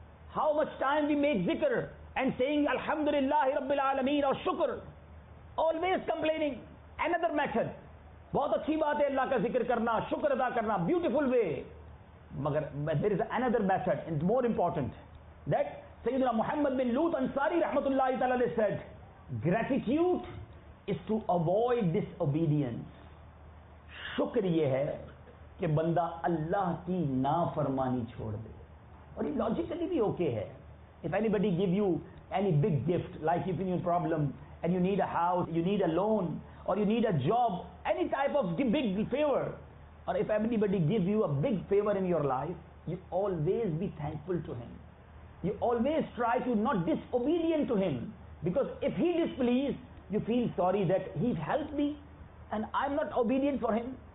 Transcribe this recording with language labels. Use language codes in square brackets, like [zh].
[en] How much time we make zikr and saying Alhamdulillah Rabbil Alameen or shukr, always complaining. Another method, [ur] بہت اچھی بات ہے اللہ کا ذکر کرنا, شکر ادا کرنا, [en] beautiful way. مگر there is another method and more important, that سیدنا محمد بن لوط انصاری رحمت اللہ تعالیٰ علیہ said, gratitude is to avoid disobedience. [ur] شکر یہ ہے کہ بندہ اللہ کی نافرمانی چھوڑ دے. اور یہ logically بھی okay ہے. [en] If anybody give you any big gift, like if you need a problem and you need a house, you need a loan or you need a job, any type of big favor, or if anybody gives you a big favor in your life, you always be thankful to him. You always try to not disobedient to him. Because if he displeased, you feel sorry that he helped me and I'm not obedient for him.